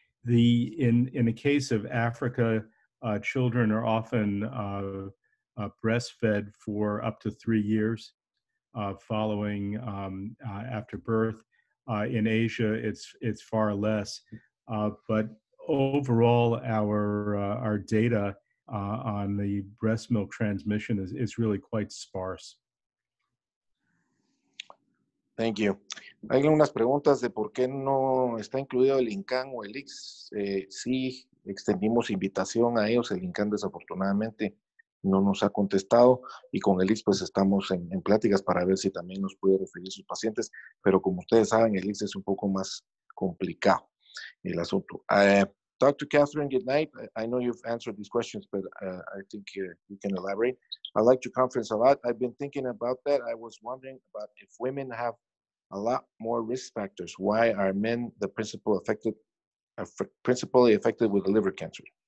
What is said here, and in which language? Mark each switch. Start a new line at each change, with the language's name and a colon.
English: In the case of Africa, children are often breastfed for up to 3 years following after birth. In Asia, it's far less. But overall, our data on the breast milk transmission is really quite sparse. Thank you.
Spanish: Hay algunas preguntas de por qué no está incluido el INCAN o el ICS. Sí, extendimos invitación a ellos. El INCAN desafortunadamente no nos ha contestado. Y con el ICS pues estamos en pláticas para ver si también nos puede referir sus pacientes. Pero como ustedes saben, el ICS es un poco más complicado el asunto.
English: Dr. Catherine, good night. I know you've answered these questions, but I think you can elaborate. I liked your conference a lot. I've been thinking about that. I was wondering about if women have a lot more risk factors. Why are men the principally affected with liver cancer?